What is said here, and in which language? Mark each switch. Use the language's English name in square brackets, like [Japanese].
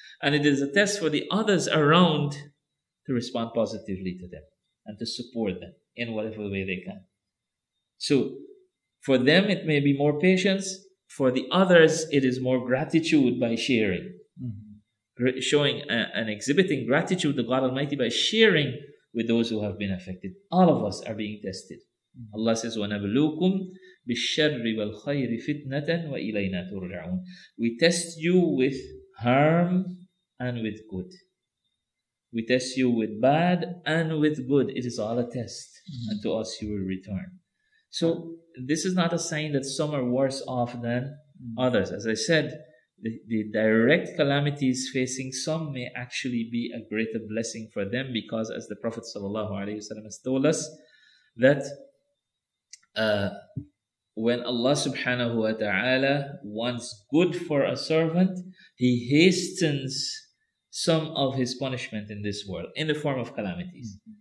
[English] And it is a test for the others around to respond positively to them and to support them in whatever way they can. So for them, it may be more patience. For the others, it is more gratitude by sharing. Mm-hmm. Showing and exhibiting gratitude to God Almighty by sharing with those who have been affected. All of us are being tested. Mm-hmm. Allah says, [Arabic] وَنَبْلُوكُمْ بِالشَّرِّ وَالْخَيْرِ فِتْنَةً وَإِلَيْنَا تُرْجَعُونَ. [English] We test you with harm and with good. We test you with bad and with good. It is all a test. Mm-hmm. And to us you will return. So, this is not a sign that some are worse off than others. As I said, the direct calamities facing some may actually be a greater blessing for them because as the Prophet ﷺ has told us that when Allah subhanahu wa ta'ala wants good for a servant, He hastens some of His punishment in this world in the form of calamities.